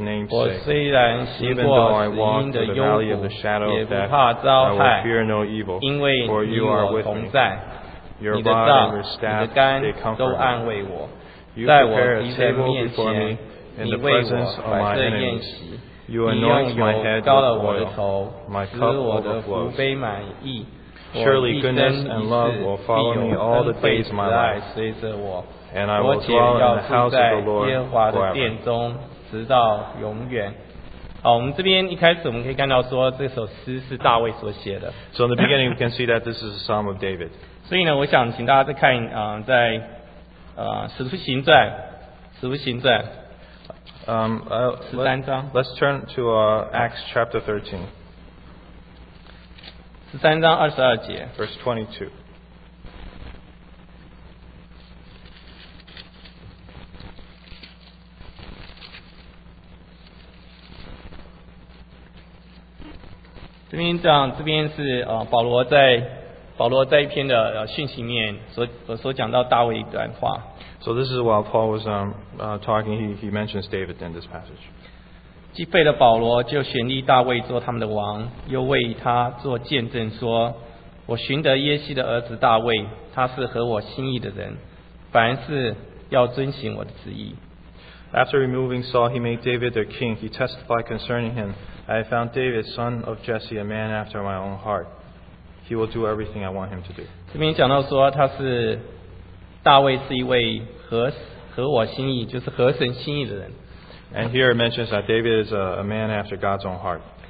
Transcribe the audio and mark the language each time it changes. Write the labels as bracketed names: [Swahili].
[Chinese] 我虽然行过死荫的幽谷，也不怕遭害，因为你与我同在。你的杖、你的竿都安慰我，在我敌人面前，你为我摆设宴席。 [English] You anoint my head with oil, my cup overflows. Surely goodness and love will follow me all the days of my life, and I will dwell in the house of the Lord forever. [Chinese] 好，我们这边一开始我们可以看到说这首诗是大卫所写的。 [English] So in the beginning, we can see that this is a psalm of David. [Chinese] 所以呢，我想请大家再看在使徒行传，使徒行传。 [English] Let's turn to Acts chapter 13. 13:22. Verse 22. [Chinese] 这边是保罗在一篇的讯息里面所讲到大卫的一段话。 [English] So this is while Paul was talking, he mentions David in this passage. [Chinese] 既废了保罗，就选立大卫做他们的王，又为他作见证，说：“我寻得耶西的儿子大卫，他是合我心意的人，凡事要遵行我的旨意。”After [English] removing Saul, he made David their king. He testified concerning him, I have found David, son of Jesse, a man after my own heart. He will do everything I want him to do. [Chinese] 这边讲到说，他是大卫是一位合我心意，就是合神心意的人。 [English] And here it mentions that David is a man after God's own heart.